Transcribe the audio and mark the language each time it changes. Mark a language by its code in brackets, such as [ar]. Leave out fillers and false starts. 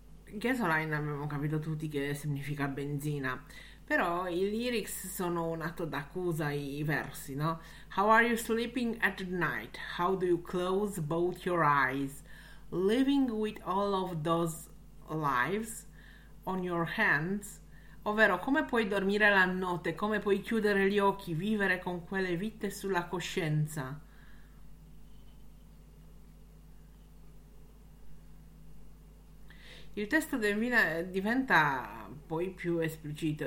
[it] Gasoline abbiamo capito tutti che significa benzina, però i lyrics sono un atto d'accusa, i versi, no? [en] How are you sleeping at night? How do you close both your eyes? Living with all of those lives on your hands? [it] Ovvero, come puoi dormire la notte? Come puoi chiudere gli occhi, vivere con quelle vite sulla coscienza? Il testo diventa poi più esplicito.